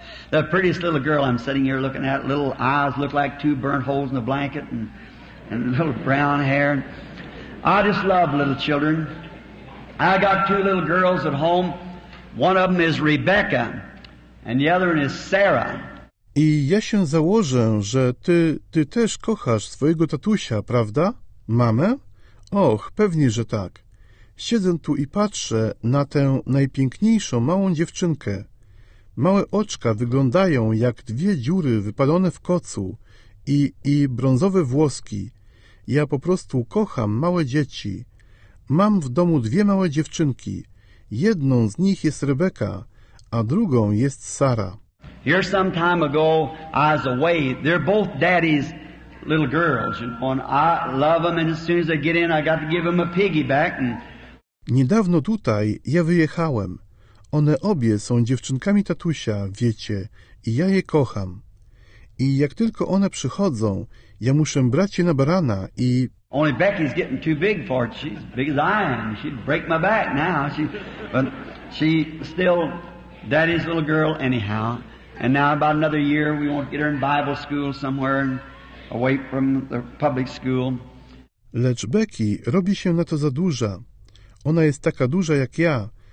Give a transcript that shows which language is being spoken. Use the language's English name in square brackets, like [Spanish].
[English] The prettiest little girl I'm sitting here looking at. Little eyes look like two burnt holes in a blanket and little brown hair. I just love little children. I got two little girls at home. One of them is Rebecca, and the other one is Sarah. [Polish] I ja się założę, że ty też kochasz swojego tatusia, prawda? Mamę? Pewnie, że tak. Siedzę tu i patrzę na tę najpiękniejszą małą dziewczynkę. Małe oczka wyglądają jak dwie dziury wypalone w kocu i brązowe włoski. Ja po prostu kocham małe dzieci. Mam w domu dwie małe dziewczynki. Jedną z nich jest Rebeka, a drugą jest Sara. [English] Here some time ago, I was away. They're both daddy's little girls. And I love them, and as soon as they get in, I got to give them a piggyback. [Polish] Niedawno tutaj ja wyjechałem. One obie są dziewczynkami tatusia, wiecie, i ja je kocham. I jak tylko one przychodzą, ja muszę brać je na barana i... [English] Only Becky's getting too big for it. She's big as I am. She'd break my back now. But she's still daddy's little girl anyhow. And now about another year, we won't get her in Bible school somewhere away from the public school. [Polish] Lecz Becky robi się na to za duża. Ona jest taka duża jak ja.